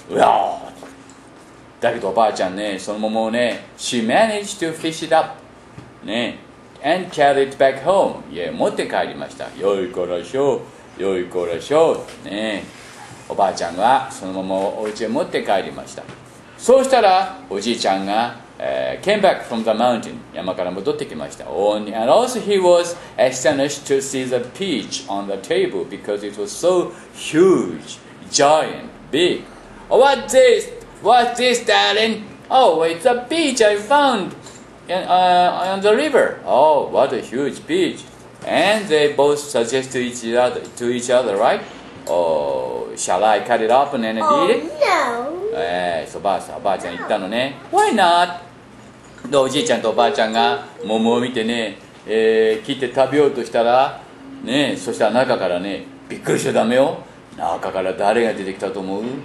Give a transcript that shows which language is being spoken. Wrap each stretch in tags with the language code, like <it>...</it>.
<en>Wow!</en> <ja>だけどおばあちゃんね、その桃をね、</ja> <en>She managed to fish it up、ね、and carry it back home.</en> <ja>いや、持って帰りました。よい子らしょう、よい子らしょう、ね。おばあちゃんはその桃をお家へ持って帰りました。そうしたら、おじいちゃんが、</ja> <en>came back from the mountain.</en> <ja>山から戻ってきました。</ja> <en>And also he was astonished to see the peach on the table because it was so huge, giant, big. What's this? What's this, darling? Oh, it's a peach I found on the river. Oh, what a huge peach. And they both suggest to each other, right? Oh, shall I cut it up and eat it? Oh, no.</en> <ja>So, おばあちゃん言ったのね。</ja> <en>Why not?</en> <ja>おじいちゃんとおばあちゃんが桃を見てね、切って食べようとしたら、ね、そしたら中からね、びっくりしちゃダメよ。中から誰が出てきたと思う？</ja>